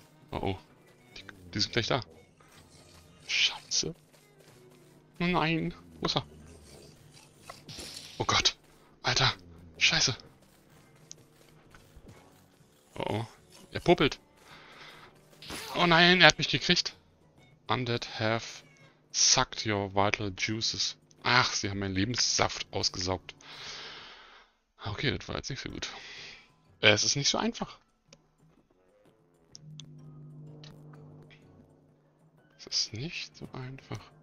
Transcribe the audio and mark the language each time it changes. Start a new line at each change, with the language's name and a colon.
German: Oh. Die sind gleich da. Scheiße. Oh nein. Wo ist er? Oh Gott. Alter. Scheiße. Oh. Er popelt. Oh nein, er hat mich gekriegt.
English: Undead have sucked your vital juices.
German: Ach, sie haben meinen Lebenssaft ausgesaugt. Okay, das war jetzt nicht so gut. Es ist nicht so einfach. Es ist nicht so einfach.